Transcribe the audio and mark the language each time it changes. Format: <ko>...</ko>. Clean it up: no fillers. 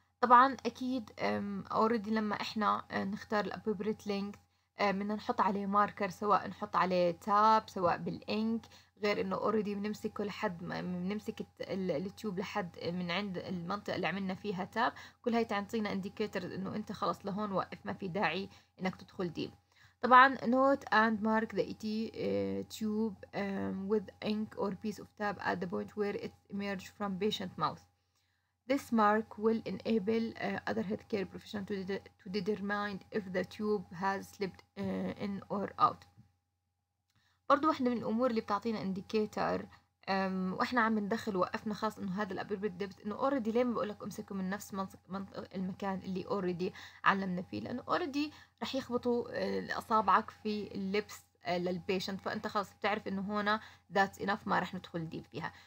<ar>طبعا اكيد اوريدي لما احنا نختار الابوبريت لينكث بدنا نحط عليه ماركر، سواء نحط عليه تاب سواء بالانك، غير انه اوريدي بنمسكه لحد بنمسك التيوب لحد من عند المنطقه اللي عملنا فيها تاب. كل هاي تعطينا انديكيتر انه انت خلص لهون وقف، ما في داعي انك تدخل ديب.</ar> <en>طبعا note and mark the ET tube with ink or piece of tab at the point where it emerged from patient mouth. This mark will enable other healthcare professional to determine if the tube has slipped in or out.</en> <ar>برضو واحدة من الأمور اللي بتعطينا indicator واحنا عم ندخل وقفنا خاص انه هذا الابربيت ديبث، انه اوريدي ليه بقولك امسكوا من نفس منطق المكان اللي اوريدي علمنا فيه، لانه اوريدي رح يخبطوا اصابعك في اللبس للبيشنت، فانت خلاص بتعرف انه هنا ذات انف ما رح ندخل ديب فيها.</ar>